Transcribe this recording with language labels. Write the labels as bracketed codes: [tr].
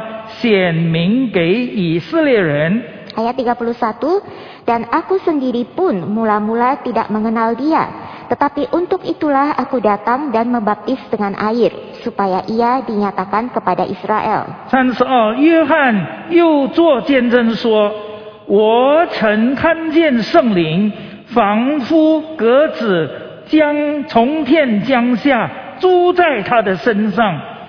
[zh] 31, 我先前不认识他，如今我来用水施洗，为要叫他显明给以色列人。 [id] Ayat 31, dan aku sendiri pun mula-mula tidak mengenal dia, tetapi untuk itulah aku datang dan membaptis dengan air, supaya ia dinyatakan kepada Israel. [zh] 32, 约翰又作见证说，我曾看见圣灵仿佛鸽子从天降下，住在他的身上。